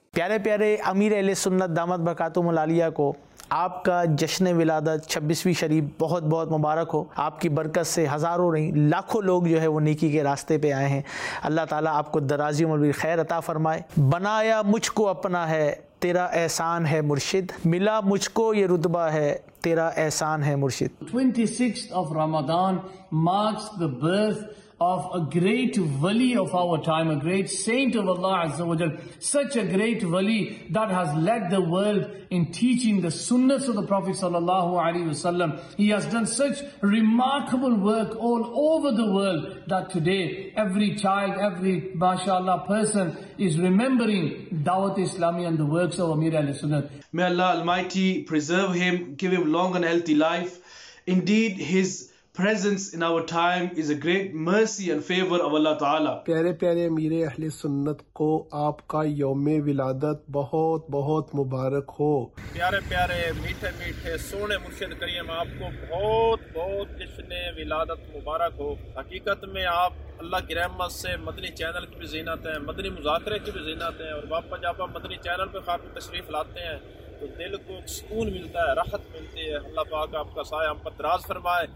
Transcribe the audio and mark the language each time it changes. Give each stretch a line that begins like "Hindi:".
Urdu: پیارے پیارے امیر اہل سنت دامت برکاتہم العالیہ کو آپ کا جشن ولادت 26ویں شریف بہت بہت مبارک ہو۔ آپ کی برکت سے ہزاروں نہیں لاکھوں لوگ جو ہے وہ نیکی کے راستے پہ آئے ہیں۔ اللہ تعالیٰ آپ کو درازی عمر بھی خیر عطا فرمائے۔ بنایا مجھ کو اپنا ہے تیرا احسان ہے مرشد، ملا مجھ کو یہ رتبہ ہے تیرا احسان ہے مرشد۔
English: 26th of Ramadan marks the birth of a great wali of our time, a great saint of Allah Azza wa Jal, such a great wali that has led the world in teaching the sunnahs of the Prophet sallallahu alaihi wasallam. He has done such remarkable work all over the world that today every child, every mashallah person is remembering Dawat Islami and the works of Amir al-Sunnah. May Allah Almighty preserve him, give him long and healthy life. Indeed, his presence in our time is a great mercy and favor of Allah Ta'ala.
Urdu: پیارے پیارے امیر اہل سنت کو آپ کا یوم ولادت بہت بہت مبارک ہو۔ پیارے پیارے میٹھے میٹھے سونے مرشد کریم، آپ کو بہت بہت جشن ولادت مبارک ہو۔ حقیقت میں آپ اللہ کی رحمت سے مدنی چینل کی بھی زینت ہیں، مدنی مذاکرے کی بھی زینت ہیں، اور واپس جب آپ مدنی چینل پہ خاص تشریف لاتے ہیں تو دل کو سکون ملتا ہے، راحت ملتی ہے۔ اللہ پاک آپ کا سایہ ہم پر دراز فرمائے۔